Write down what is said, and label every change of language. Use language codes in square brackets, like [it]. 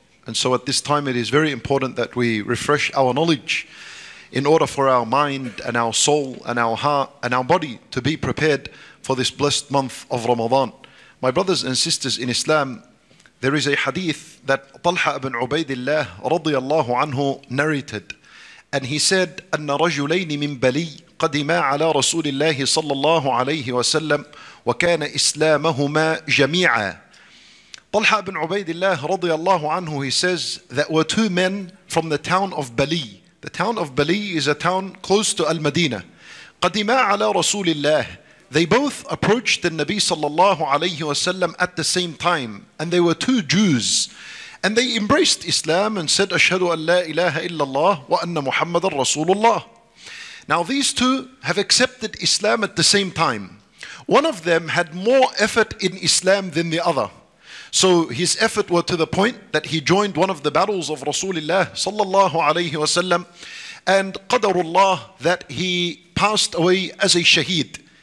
[en] And so at this time, it is very important that we refresh our knowledge in order for our mind and our soul and our heart and our body to be prepared for this blessed month of Ramadan. My brothers and sisters in Islam, there is a hadith that Talha ibn Ubaidillah radiyallahu anhu narrated. And he said, [ar] أَنَّ رَجُلَيْنِ مِنْ بَلِي قَدِمَا عَلَىٰ رَسُولِ اللَّهِ صَلَّى اللَّهُ عَلَيْهِ وَسَلَّمْ وَكَانَ إِسْلَامَهُمَا جَمِيعًا. [en] Talha ibn Ubaidillah radiyallahu anhu, he says, there were two men from the town of Bali. The town of Bali is a town close to Al-Madina. [ar] قَدِمَا عَلَىٰ رَسُولِ اللَّهِ. [en] They both approached the Nabi sallallahu alayhi wa sallam at the same time. And they were two Jews. And they embraced Islam and said, [ar] أَشْهَدُ أَنْ لَا إِلَهَ إِلَّا اللَّهِ وَأَنَّ مُحَمَّدًا رَسُولُ اللَّهِ. [en] Now these two have accepted Islam at the same time. One of them had more effort in Islam than the other. So his effort was to the point that he joined one of the battles of Rasulullah sallallahu alayhi wa sallam, and qadarullah, that he passed away as a shaheed.